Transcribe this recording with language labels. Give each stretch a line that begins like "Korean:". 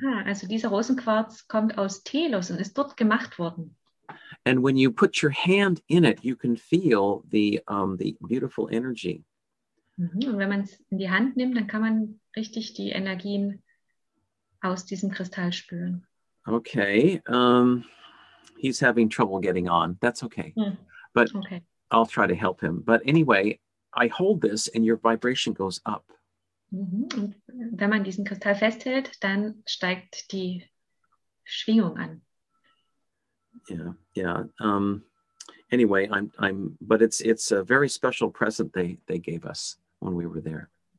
German: Aha, also dieser Rosenquarz kommt aus Telos und ist dort gemacht worden.
English: And when you put your hand in it, you can feel the beautiful energy.
German: Und wenn man es in die Hand nimmt, dann kann man richtig die Energien aus diesem Kristall spüren.
English: Okay, he's having trouble getting on. That's okay. But okay. I'll try to help him. But anyway, I hold this and your vibration goes up.
German: Und wenn man diesen Kristall festhält, dann steigt die Schwingung an.
English: Yeah. Anyway, but it's a very special present they gave us when we were there.